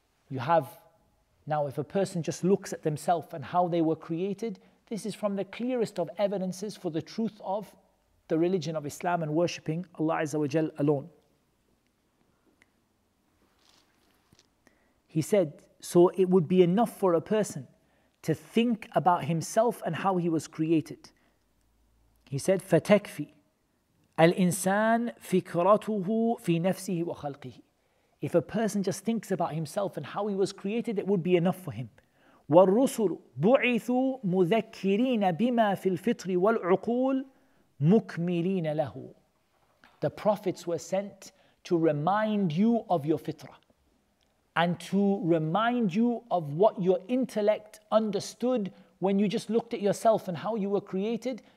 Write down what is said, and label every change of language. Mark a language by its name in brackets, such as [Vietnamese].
[English] You have, now if a person just looks at themselves and how they were created, this is from the clearest of evidences for the truth of the religion of Islam and worshipping Allah Azza wa Jal alone. He said, so it would be enough for a person to think about himself and how he was created. He said, [Arabic] فَتَكْفِي الْإِنسَانِ فِكْرَتُهُ فِي نَفْسِهِ وَخَلْقِهِ. [English] If a person just thinks about himself and how he was created, it would be enough for him. [Arabic] وَالرُّسُلُ بُعِثُوا مُذَكِّرِينَ بِمَا فِي الْفِطْرِ وَالْعُقُولِ مُكْمِلِينَ لَهُ. [English] The prophets were sent to remind you of your fitrah, and to remind you of what your intellect understood when you just looked at yourself and how you were created.